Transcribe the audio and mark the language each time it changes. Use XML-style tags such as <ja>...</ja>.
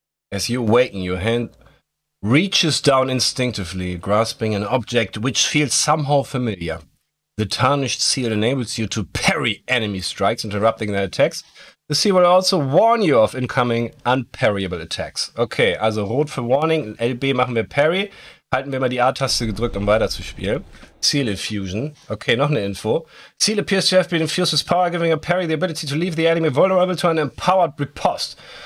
<en>As you awaken, your hand reaches down instinctively, grasping an object which feels somehow familiar. The tarnished seal enables you to parry enemy strikes, interrupting their attacks. The seal will also warn you of incoming unparryable attacks.</en> <de>Okay, also rot für Warning, LB machen wir Parry. Halten wir mal die A-Taste gedrückt, um weiterzuspielen. Seal Infusion. Okay, noch eine Info.</de> <en>Seal appears to have been infused with power, giving a parry the ability to leave the enemy vulnerable to an empowered riposte.</en>